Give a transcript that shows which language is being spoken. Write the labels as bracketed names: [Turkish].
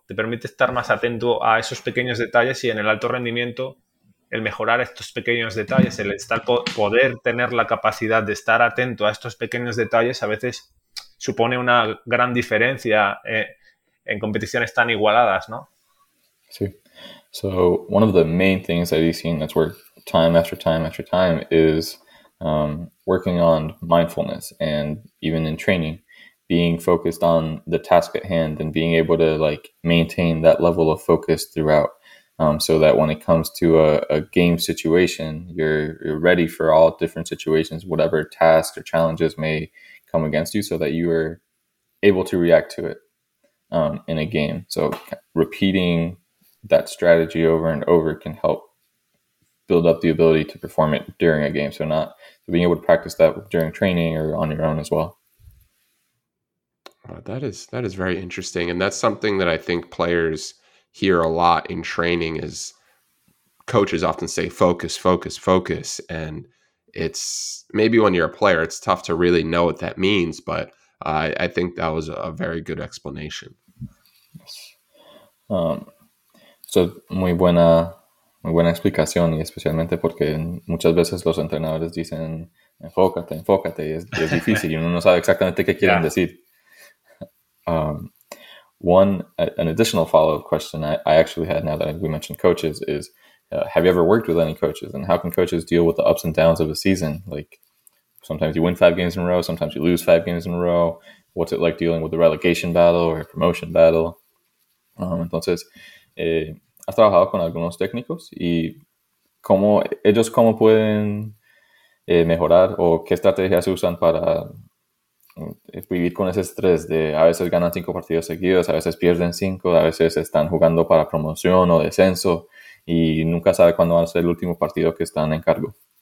[Spanish] Te permite estar más atento a esos pequeños detalles y en el alto rendimiento el mejorar estos pequeños detalles, el estar poder tener la capacidad de estar atento a estos pequeños detalles a veces supone una gran diferencia en competiciones tan igualadas, ¿no? Sí. [English] So one of the main things that he's seen that's worked time after time after time is working on mindfulness and even in training, being focused on the task at hand and being able to like maintain that level of focus throughout. So that when it comes to a game situation, you're ready for all different situations, whatever tasks or challenges may come against you, so that you are able to react to it in a game. So repeating that strategy over and over can help build up the ability to perform it during a game. So being able to practice that during training or on your own as well. That is very interesting. And that's something that I think players hear a lot in training is coaches often say focus, focus, focus. And it's maybe when you're a player, it's tough to really know what that means, but I think that was a very good explanation. Yes. [Spanish] So muy buena explicación, y especialmente porque muchas veces los entrenadores dicen enfócate, enfócate, y es difícil y uno no sabe exactamente qué quieren decir. [English] An additional follow-up question I actually had now that we mentioned coaches is, have you ever worked with any coaches, and how can coaches deal with the ups and downs of a season? Like, sometimes you win 5 games in a row, sometimes you lose 5 games in a row. What's it like dealing with the relegation battle or a promotion battle? [Spanish] Entonces, has trabajado con algunos técnicos, y cómo, ellos cómo pueden mejorar, o qué estrategias usan para vivir con ese estrés de a veces ganan 5 partidos seguidos, a veces pierden 5, a veces están jugando para promoción o descenso y nunca sabe cuándo va a ser el último partido que están en cargo.